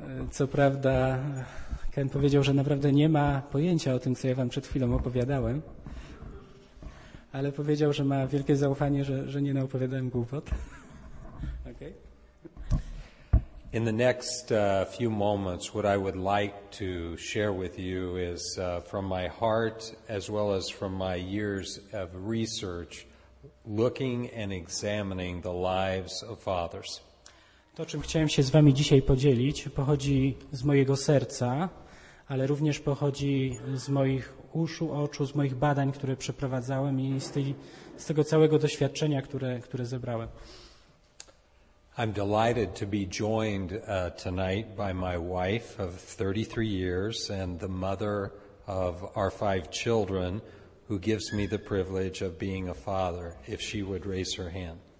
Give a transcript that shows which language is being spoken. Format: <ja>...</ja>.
<pl>Co prawda, Ken powiedział, że naprawdę nie ma pojęcia o tym, co ja wam przed chwilą opowiadałem, ale powiedział, że ma wielkie zaufanie, że nie naopowiadałem głupot.</pl> <en>Okay. In the next few moments, what I would like to share with you is from my heart, as well as from my years of research, looking and examining the lives of fathers.</en> <pl>To, czym chciałem się z wami dzisiaj podzielić, pochodzi z mojego serca, ale również pochodzi z moich uszu, oczu, z moich badań, które przeprowadzałem i z tego całego doświadczenia, które zebrałem.</pl> <en>I'm delighted to be joined tonight by my wife of 33 years and the mother of our five children, who gives me the privilege of being a father, if she would raise her hand.</en>